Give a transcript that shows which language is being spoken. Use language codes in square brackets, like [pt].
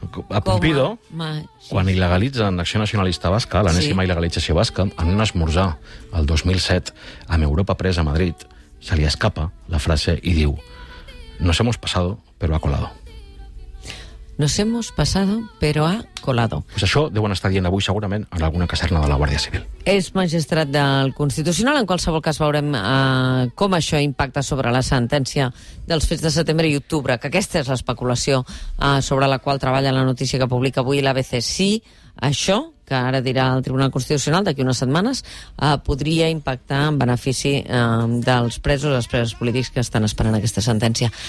[ca] A Pumpido, quan il·legalitzen l'Acció Nacionalista Basca, l'enèsima il·legalització basca, en un esmorzar el 2007 amb Europa Press a Madrid, se li escapa la frase i diu: [es] "Nos hemos pasado, pero ha colado". Nos hemos pasado, pero ha colado. [ca] Pues això deuen estar dient avui segurament en alguna caserna de la Guàrdia Civil. És magistrat del Constitucional. En qualsevol cas, veurem com això impacta sobre la sentència dels fets de setembre i octubre, que aquesta és l'especulació sobre la qual treballa la notícia que publica avui l'ABC. Sí, això, que ara dirà el Tribunal Constitucional d'aquí unes setmanes, podria impactar en benefici dels presos, dels presos polítics que estan esperant aquesta sentència.